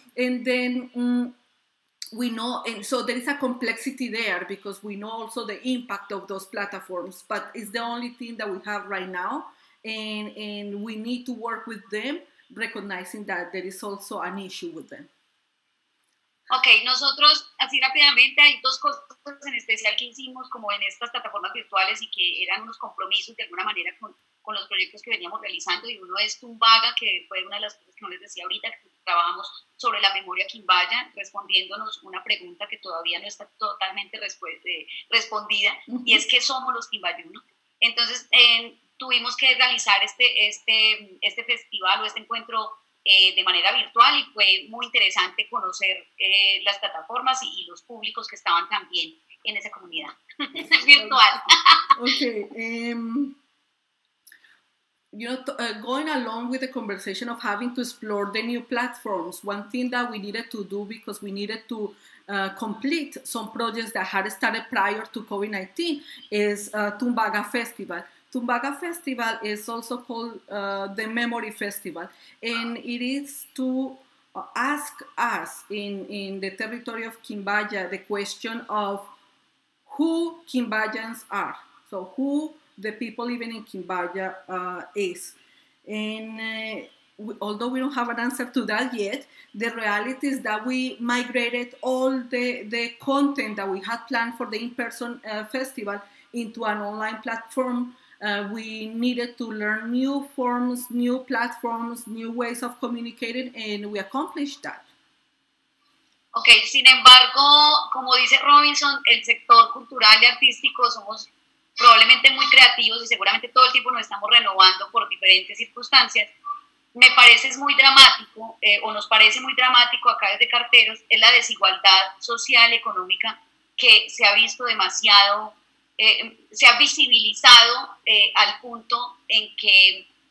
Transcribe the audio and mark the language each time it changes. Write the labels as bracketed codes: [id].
[en] And then we know, and so there is a complexity there, because we know also the impact of those platforms, but it's the only thing that we have right now, and we need to work with them, recognizing that there is also an issue with them. [es] Okay, nosotros, así rápidamente, hay dos cosas en especial que hicimos como en estas plataformas virtuales y que eran unos compromisos de alguna manera con los proyectos que veníamos realizando, y uno es Tumbaga, que fue una de las cosas que no les decía ahorita, que trabajamos sobre la memoria Quimbaya, respondiéndonos una pregunta que todavía no está totalmente respondida, y es ¿qué somos los Quimbayunos? Entonces, tuvimos que realizar este festival o este encuentro de manera virtual, y fue muy interesante conocer las plataformas y los públicos que estaban también en esa comunidad virtual. [en] You know, going along with the conversation of having to explore the new platforms, one thing that we needed to do, because we needed to complete some projects that had started prior to COVID-19, is Tumbaga Festival. Tumbaga Festival is also called the Memory Festival, and it is to ask us in the territory of Quimbaya the question of who Quimbayans are. So who the people living in Quimbaya is. And although we don't have an answer to that yet, the reality is that we migrated all the content that we had planned for the in-person festival into an online platform. We needed to learn new forms, new platforms, new ways of communicating, and we accomplished that. [es] Okay, sin embargo, como dice Robinson, el sector cultural y artístico somos probablemente muy creativos y seguramente todo el tiempo nos estamos renovando por diferentes circunstancias. Me parece es muy dramático, o nos parece muy dramático acá desde Carteros, es la desigualdad social y económica que se ha visto demasiado, se ha visibilizado al punto en que